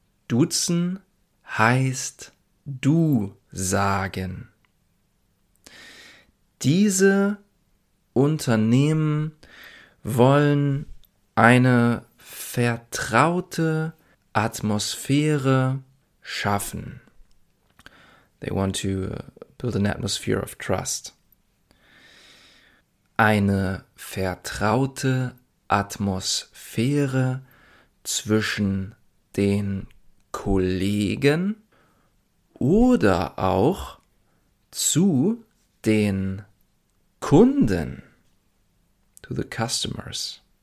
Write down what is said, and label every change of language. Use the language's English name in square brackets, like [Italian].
[German] Duzen heißt du sagen. Diese Unternehmen wollen eine vertraute Atmosphäre schaffen. [English] They want to build an atmosphere of trust. [German] Eine vertraute Atmosphäre zwischen den Kollegen oder auch zu den Kunden, [English] to the customers.